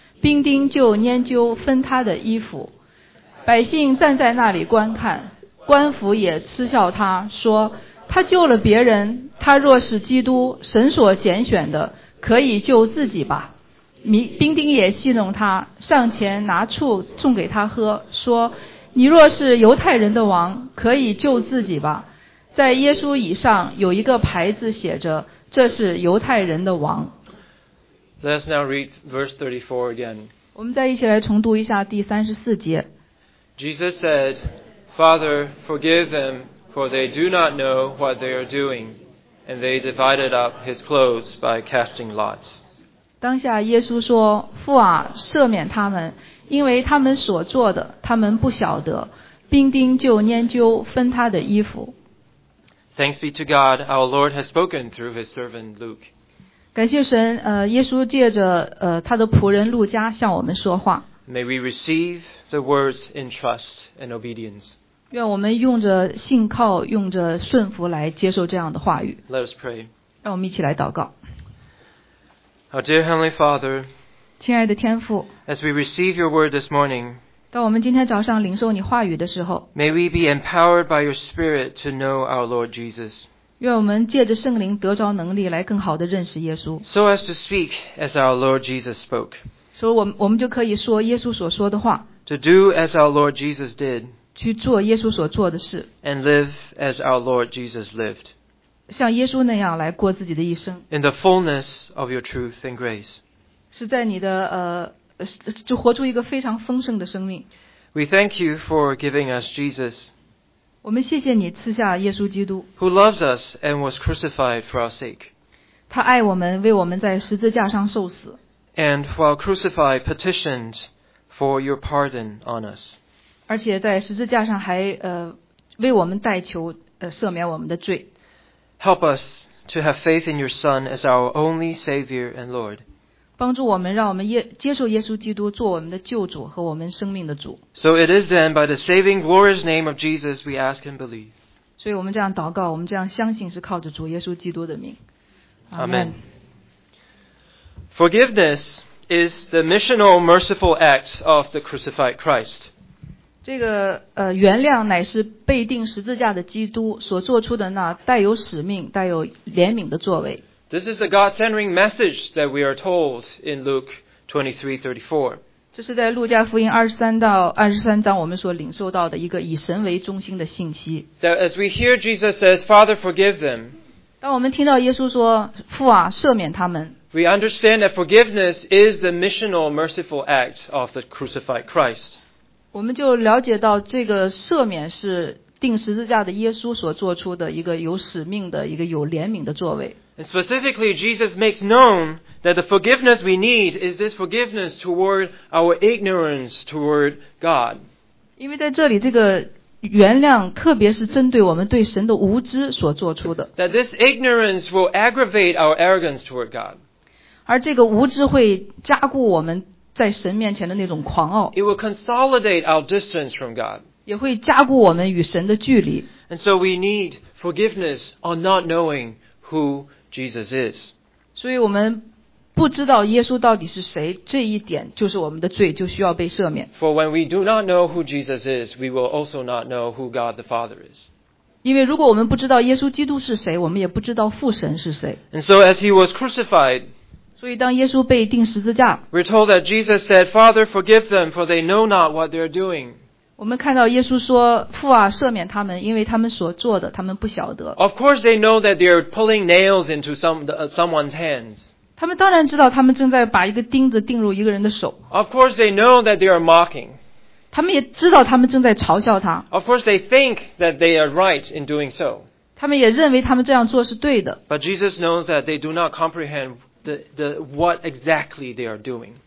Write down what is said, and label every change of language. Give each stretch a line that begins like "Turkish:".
Chinese: 兵丁就拈阄分他的衣服。百姓站在那里观看，官府也嗤笑他，说，他救了别人，他若是基督，神所拣选的，可以救自己吧。兵丁也戏弄他，上前拿醋送给他喝，说，你若是犹太人的王，可以救自己吧。在耶稣椅上有一个牌子写着，这是犹太人的王。
English: Let's now read verse 34 again.
Chinese: 我们再一起来重读一下第三十四节。
English: Jesus said, Father, forgive them, for they do not know what they are doing. And they divided up his clothes by casting lots.
Chinese: 当下耶稣说，父啊，赦免他们，因为他们所做的，他们不晓得。兵丁就拈阄分他的衣服。
English: Thanks be to God, our Lord has spoken through his servant Luke.
Chinese: 感谢神，耶稣借着他的仆人路加向我们说话。
English: May we receive the words in trust and obedience.
Chinese: 愿我们用着信靠，用着顺服来接受这样的话语。
English: Let us pray.
Chinese: 让我们一起来祷告。
English: Our dear Heavenly Father,
Chinese: 亲爱的天父，
English: as we receive your word this morning,
Chinese: 当我们今天早上领受你话语的时候，
English: may we be empowered by your spirit to know our Lord Jesus.
Chinese: 愿我们借着圣灵得着能力来更好地认识耶稣。
English: So as to speak as our Lord Jesus spoke.
Chinese: 所以我们就可以说耶稣所说的话。
English: To do as our Lord Jesus did.
Chinese: 去做耶稣所做的事。
English: And live as our Lord Jesus lived.
Chinese: 像耶稣那样来过自己的一生。
English: In the fullness of your truth and grace.
Chinese: 是在你的就活出一个非常丰盛的生命。
English: We thank you for giving us Jesus.
Chinese: 我们谢谢你赐下耶稣基督。
English: Who loves us and was crucified for our sake.
Chinese: 他爱我们，为我们在十字架上受死。
English: And while crucified, petitioned for your pardon on us.
Chinese: 而且在十字架上还为我们代求赦免我们的罪。
English: Help us to have faith in your Son as our only Savior and Lord.
Chinese: 帮助我们，让我们接受耶稣基督做我们的救主和我们生命的主。
English: So it is then by the saving, glorious name of Jesus we ask and believe.
Chinese: 所以我们这样祷告，我们这样相信是靠着主耶稣基督的名。
English: Amen. Forgiveness is the missional merciful act of the crucified Christ.
Chinese: 这个原谅乃是被钉十字架的基督所做出的那带有使命、带有怜悯的作为。
English: This is the God-centering message that we are told in Luke 23:34.
Chinese: 这是在路加福音23到23章我们所领受到的一个以神为中心的信息。
English: That as we hear Jesus says, "Father, forgive them."
Chinese: 当我们听到耶稣说，父啊，赦免他们。
English: We understand that forgiveness is the missional merciful act of the crucified Christ.
Chinese: 我们就了解到这个赦免是钉十字架的耶稣所做出的一个有使命的一个有怜悯的作为。
English: And specifically, Jesus makes known that the forgiveness we need is this forgiveness toward our ignorance toward God.
Chinese: 因为在这里，这个原谅特别是针对我们对神的无知所做出的。
English: That this ignorance will aggravate our arrogance toward God.
Chinese: 而这个无知会加固我们在神面前的那种狂傲。
English: It will consolidate our distance from God.
Chinese: 也会加固我们与神的距离。
English: And so we need forgiveness on not knowing who Jesus is.
Chinese: 所以我们不知道耶稣到底是谁，这一点就是我们的罪，就需要被赦免。
English: For when we do not know who Jesus is, we will also not know who God the Father is.
Chinese: 因为如果我们不知道耶稣基督是谁，我们也不知道父神是谁。
English: And so as he was crucified,
Chinese: 所以当耶稣被钉十字架，
English: We're told that Jesus said, Father, forgive them, for they know not what they're doing.
Chinese: 我们看到耶稣说，父啊，赦免他们，因为他们所做的，他们不晓得。
English: Of course they know that they're pulling nails into someone's hands.
Chinese: 他们当然知道他们正在把一个钉子钉入一个人的手。
English: Of course they know that they are mocking.
Chinese: 他们也知道他们正在嘲笑他。
English: Of course they think that they are right in doing so.
Chinese: 他们也认为他们这样做是对的。
English: But Jesus knows that they do not comprehendThe what exactly they are doing.